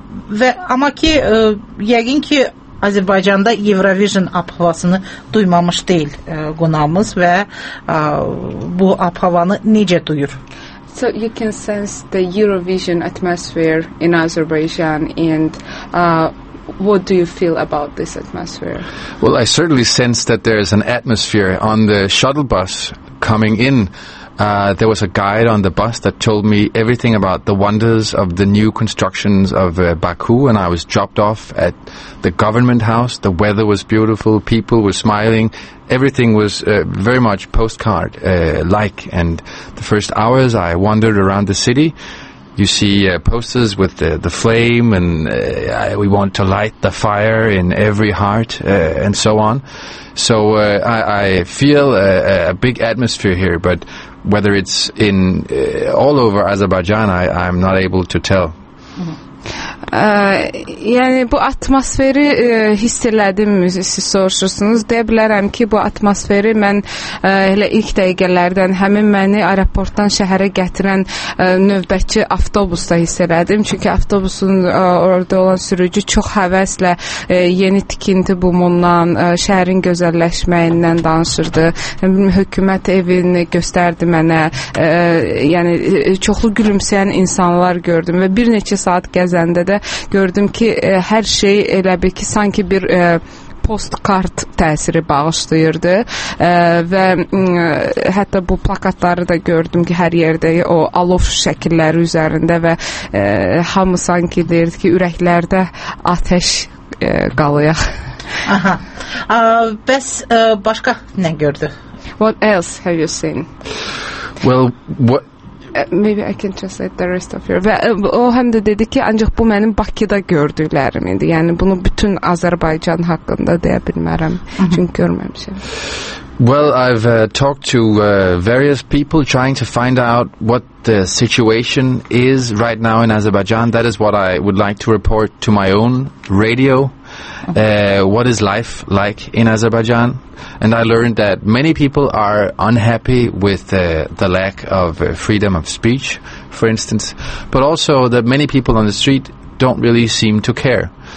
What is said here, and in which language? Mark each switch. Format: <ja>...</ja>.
<az>Və amma ki, yəqin ki, Azərbaycanda Eurovision abhavasını duymamış deyil qonağımız və bu abhavanı necə duyur?</az> <en>So you can sense the Eurovision atmosphere in Azerbaijan and what do you feel about this atmosphere? Well, I certainly sense that there is an atmosphere on the shuttle bus coming in. There was a guide on the bus that told me everything about the wonders of the new constructions of Baku, and I was dropped off at the government house. The weather was beautiful, people were smiling, everything was very much postcard-like, and the first hours I wandered around the city, You see posters with the flame and we want to light the fire in every heart and so on. So I feel a big atmosphere here, but whether it's in all over Azerbaijan, I'm not able to tell.</en> <az>Yani bu atmosferi hissedildim mi siz soruşursunuz. Deyə bilərəm ki bu atmosferi mən elə ilk dəqiqələrdən həmin məni aeroportdan şəhərə gətirən növbətçi avtobusda hiss elədim. Çünki avtobusun orada olan sürücü çox həvəslə yeni tikinti bumundan, şəhərin gözəlləşməyindən danışırdı. Hökumət evini göstərdi mənə. Yəni çoxlu gülümsəyən insanlar gördüm və bir neçə saat gəzəndə də gördüm ki hər şey elə bil ki sanki bir postkart təsiri bağışlayırdı və hətta bu plakatları da gördüm ki hər yerdə o alov şəkilləri üzərində və hamı sanki deyirdi ki ürəklərdə atəş qalayaq. Aha. Bəs başqa nə gördü?</az> <en>What else have you seen? Well, what maybe I can translate the rest of your...</en> <az>O həm də dedi ki, ancaq bu mənim Bakıda gördüklərim idi. Yəni, bunu bütün Azərbaycan haqqında deyə bilmərəm. Çünki görməmişəm.</az> <en>Well, I've talked to various people trying to find out what the situation is right now in Azerbaijan. That is what I would like to report to my own radio. What is life like in Azerbaijan? And I learned that many people are unhappy with the lack of freedom of speech, for instance, but also that many people on the street don't really seem to care.</en>